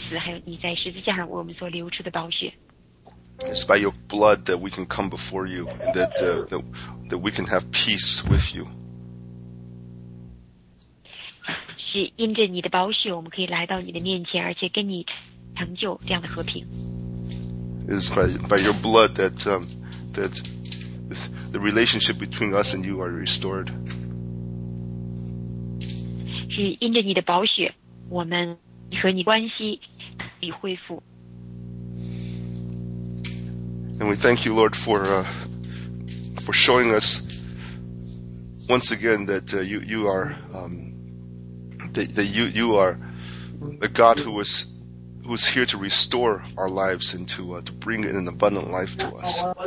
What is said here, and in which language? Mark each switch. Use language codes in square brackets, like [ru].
[zh] 我们再一次感谢你，向着我们这份的恩慈，还有你在十字架上为我们所流出的宝血。 [en] It's by your blood that we can come before you, and that we can have peace with you. [zh] 是因着你的宝血，我们可以来到你的面前，而且跟你成就这样的和平。 [en] It's by your blood that the relationship between us and you are restored. [zh] 是因着你的宝血，我们和你关系已恢复。 [en] And we thank you, Lord, for showing us once again that you are a God who is here to restore our lives and to bring in an abundant life to us.